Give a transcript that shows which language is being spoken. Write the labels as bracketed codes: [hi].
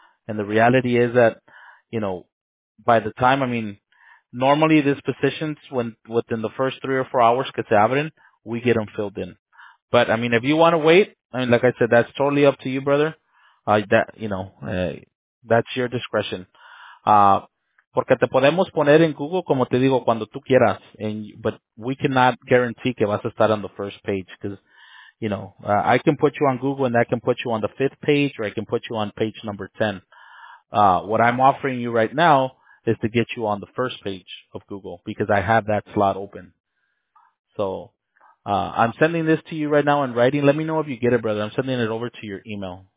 [en] And the reality is that, you know, by the time, I mean, normally these positions, when within the first 3 or 4 hours [es] que se abren, [en] we get them filled in. But, I mean, if you want to wait, I mean, like I said, that's totally up to you, brother. That, you know, that's your discretion. [es] Porque te podemos poner en Google, como te digo, cuando tú quieras. [en] And, but we cannot guarantee [es] que vas a estar [en] on the first page. Because, you know, I can put you on Google and that can put you on the fifth page or I can put you on page number 10. What I'm offering you right now is to get you on the first page of Google because I have that slot open. So I'm sending this to you right now in writing. Let me know if you get it, brother. I'm sending it over to your email.